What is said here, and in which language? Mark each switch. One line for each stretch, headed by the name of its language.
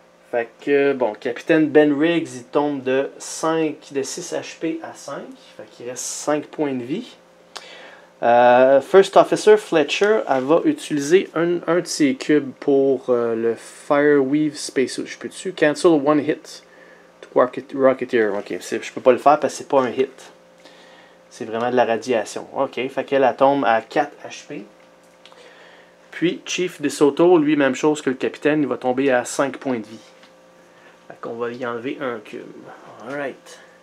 French: Fait que, bon, Capitaine Ben Riggs, il tombe de 5, de 6 HP à 5. Fait qu'il reste 5 points de vie. First Officer Fletcher, elle va utiliser un de ses cubes pour le Fireweave Spacesuit. Je peux-tu?
English: Cancel one hit to Rocketeer.
French: OK, je peux pas le faire parce que c'est pas un hit. C'est vraiment de la radiation. OK, fait qu'elle tombe à 4 HP. Puis, Chief DeSoto, lui, même chose que le capitaine, il va tomber à 5 points de vie. Fait qu'on va y enlever un cube. Alright.